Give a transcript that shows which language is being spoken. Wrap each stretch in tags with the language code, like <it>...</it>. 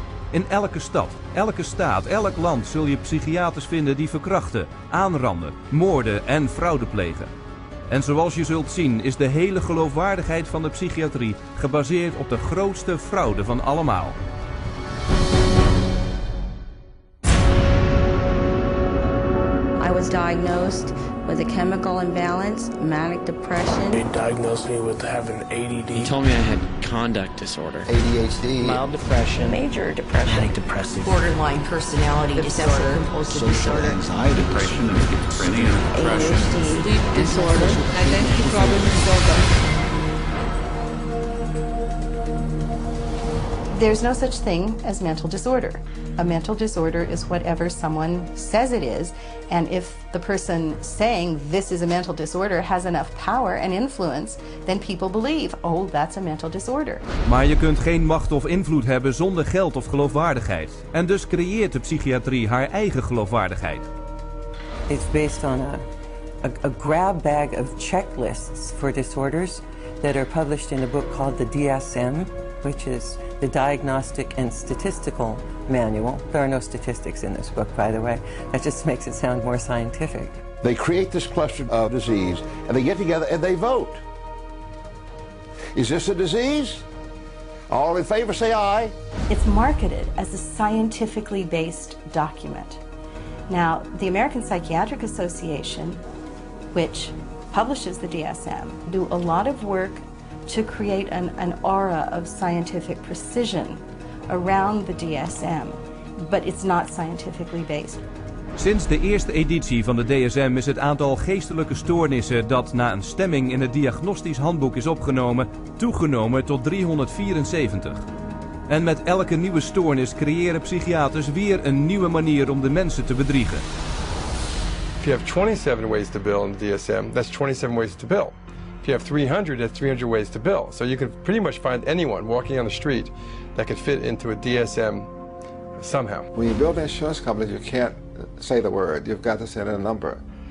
<nl>In elke stad, elke staat, elk land zul je psychiaters vinden die verkrachten, aanranden, moorden en fraude plegen. En zoals je zult zien is de hele geloofwaardigheid van de psychiatrie gebaseerd op de grootste fraude van allemaal.</nl> <en>I was diagnosed with a chemical imbalance, manic depression. They diagnosed me with having ADD. He told me I had conduct disorder. ADHD. Mild depression. Major depression. Manic depressive. Borderline personality disorder. Compulsive disorder. Anxiety. Depression. Schizophrenia. ADHD. Sleep disorder. Identity problem disorder. There's no such thing as mental disorder. A mental disorder is whatever someone says it is, and if the person saying this is a mental disorder has enough power and influence, then people believe, oh, that's a mental disorder.</en> <nl>Maar je kunt geen macht of invloed hebben zonder geld of geloofwaardigheid. En dus creëert de psychiatrie haar eigen geloofwaardigheid.</nl> <en>It's based on a grab bag of checklists for disorders that are published in a book called the DSM, which is the Diagnostic and Statistical Manual. There are no statistics in this book, by the way. That just makes it sound more scientific. They create this cluster of disease, and they get together and they vote. Is this a disease? All in favor say aye. It's marketed as a scientifically based document. Now, the American Psychiatric Association, which publishes the DSM, do a lot of work to create an aura of scientific precision around the DSM, but it's not scientifically based.</en> <nl>Sinds de eerste editie van de DSM is het aantal geestelijke stoornissen dat na een stemming in het diagnostisch handboek is opgenomen, toegenomen tot 374. En met elke nieuwe stoornis creëren psychiaters weer een nieuwe manier om de mensen te bedriegen.</nl> <en>If you have 27 ways to bill in the DSM, that's 27 ways to bill. If you have 300, that's 300 ways to bill. So you can pretty much find anyone walking on the street that could fit into a DSM somehow. When you build insurance companies, you can't say the word. You've got to send in a number.</en>